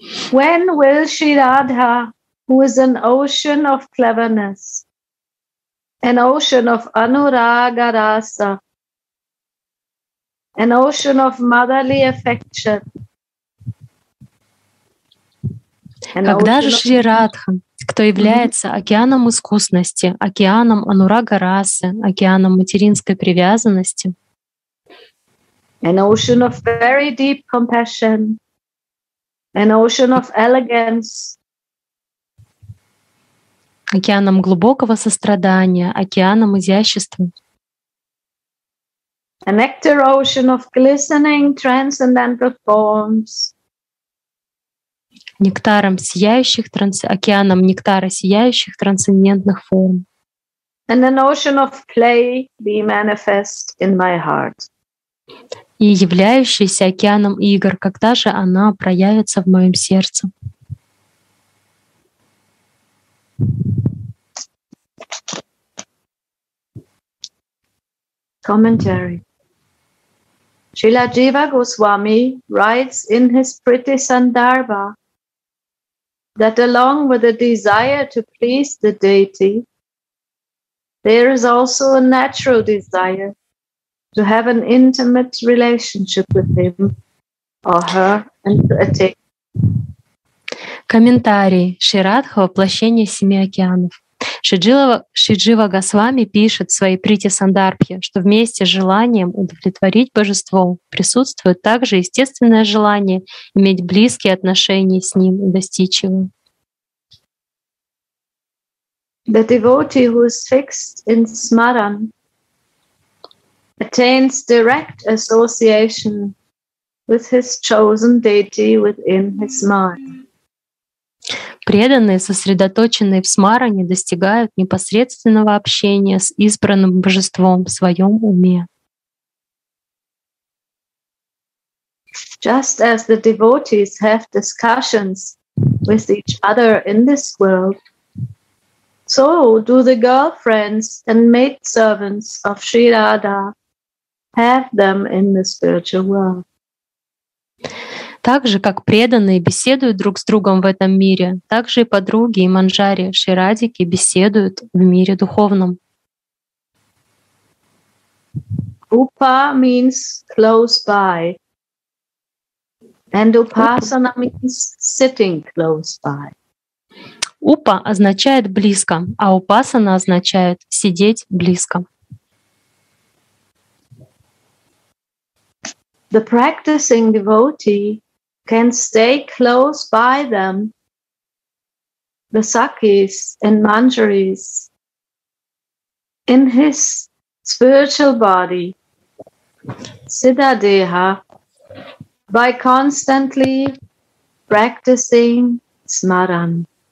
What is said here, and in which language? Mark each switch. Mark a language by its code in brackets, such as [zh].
[en] When will Sri Radha, who is an ocean of cleverness, an ocean of Anuraga Rasa, an ocean of motherly affection, [ru] когда же Шри Радха, кто является океаном искусности, океаном анурага расы, океаном материнской привязанности. [en] An ocean of very deep compassion. An ocean of elegance. [ru] Океаном глубокого сострадания, океаном изящества. [en] A nectar ocean of glistening transcendental forms. [ru] Нектаром сияющих океаном нектара сияющих трансцендентных форм. [en] And an ocean of play be manifest in my heart. [ru] И являющийся океаном игр, когда же она проявится в моем сердце? [en] Commentary. Srila Jiva Goswami writes in his Pratisandarbha that along with the desire to please the deity, there is also a natural desire to have an intimate relationship with him or her and to attain. [ru] Комментарий. Шри Радха, воплощение семи океанов. Шриджива Госвами пишет в своей Притисандарбхе, что вместе с желанием удовлетворить божество присутствует также естественное желание иметь близкие отношения с ним и достичь его. [en] The devotee who is fixed in smaran attains direct association with his chosen deity within his mind. [ru] Преданные, сосредоточенные в смаране, достигают непосредственного общения с избранным божеством в своем уме. [en] Just as the devotees have discussions with each other in this world, so do the girlfriends and maidservants of Sri Radha have them in the spiritual world. [ru] Так же, как преданные беседуют друг с другом в этом мире, так же и подруги и манджари, ширадики беседуют в мире духовном. [en] Upa means close by. And upasana means sitting close by. [ru] Upa означает близко, а упасана означает сидеть близко. [en] The practicing devotee can stay close by them, the sakis and manjaris, in his spiritual body, siddha deha, by constantly practicing smaran.